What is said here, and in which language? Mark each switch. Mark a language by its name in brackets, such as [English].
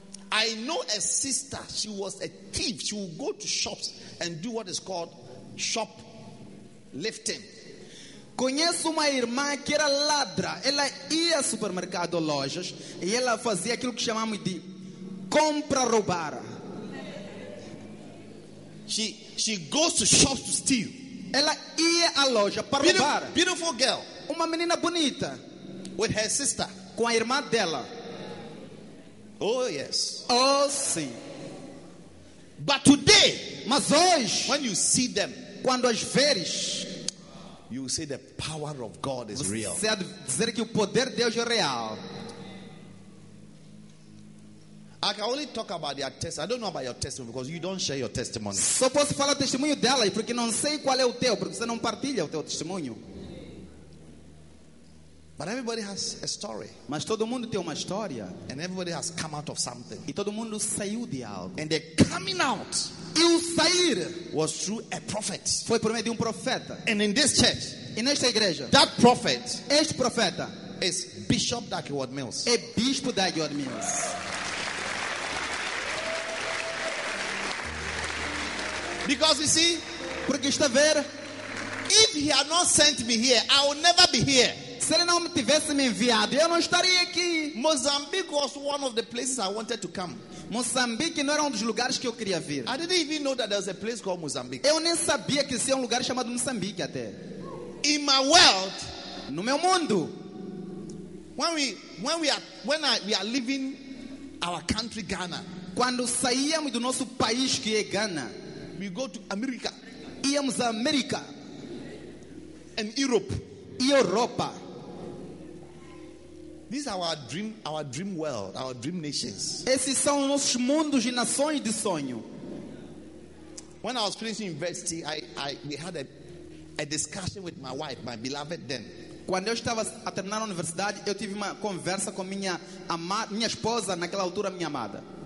[English] I know a sister, she was a thief. She would go to shops and do what is called shop lifting. [Portuguese] Conheço uma irmã que era ladra. Ela ia ao supermercado, lojas, e ela fazia aquilo que chamamos de compra roubar. [English] She goes to shops to steal. [Portuguese] Ela ia à loja para roubar. [English] Beautiful girl. [Portuguese] Uma menina bonita. [English] With her sister. [Portuguese] Com a irmã dela. [English] Oh yes. [Portuguese] Oh sim. [English] But today, [Portuguese] mas hoje, [English] when you see them, [Portuguese] quando as veres, [English] you will say the power of God is real. [Portuguese] Você vai dizer que o poder de Deus é real. [English] I can only talk about their testimony. I don't know about your testimony because you don't share your testimony. [Portuguese] Só posso falar o testemunho dela porque não sei qual é o teu, porque você não partilha o teu testemunho. [English] But everybody has a story. [Portuguese] Mas todo mundo tem uma história. [English] And everybody has come out of something. [Portuguese] E todo mundo saiu de algo. [English] And the coming out, [Portuguese] e o sair, [English] was through a prophet. [Portuguese] Foi por meio de profeta. [English] And in this church, [Portuguese] e nesta igreja, [English] that prophet, [Portuguese] este profeta, [English] is Bishop Dagwood Mills. [Portuguese] É Bispo Dagwood Mills. [English] Because you see, [Portuguese] porque está a ver, [English] if he had not sent me here, I would never be here. [Portuguese] Se ele não me tivesse me enviado, eu não estaria aqui. [English] Mozambique was one of the places I wanted to come. [Portuguese] Moçambique não era um dos lugares que eu queria vir. [English] I didn't even know that there was a place called Mozambique. [Portuguese] Eu nem sabia que existia um lugar chamado Moçambique até. [English] In my world, [Portuguese] no meu mundo, [English] when we are leaving our country Ghana, [Portuguese] quando saíamos do nosso país que é Ghana, [English] we go to America. [Portuguese] Íamos à América. [English] And Europe. [Portuguese] Europa. [English] These are our dream world, our dream nations. [Portuguese] Esses são nossos mundos e nações de sonho. [English] When I was finishing university, we had a discussion with my wife, my beloved then. [Portuguese] Quando eu estava a terminar a universidade, eu tive uma conversa com minha esposa, naquela altura minha amada.